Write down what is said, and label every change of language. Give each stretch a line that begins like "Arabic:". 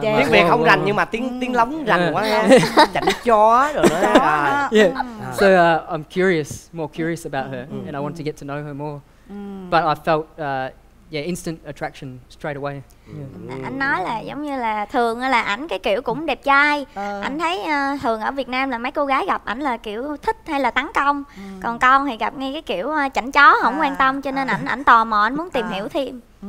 Vietnamese: tiếng Việt không rành nhưng mà tiếng lóng rành quá chảnh chó rồi đó.
English: So I'm curious about her and I want to get to know her more. But I felt instant attraction straight away.
Vietnamese: Anh nói là giống như là thường là ảnh cái kiểu cũng đẹp trai. Anh thấy thường ở Việt Nam là mấy cô gái gặp ảnh là kiểu thích hay là tấn công. Còn con thì gặp ngay cái kiểu chảnh chó không quan tâm, cho nên ảnh tò mò, ảnh muốn tìm hiểu thêm.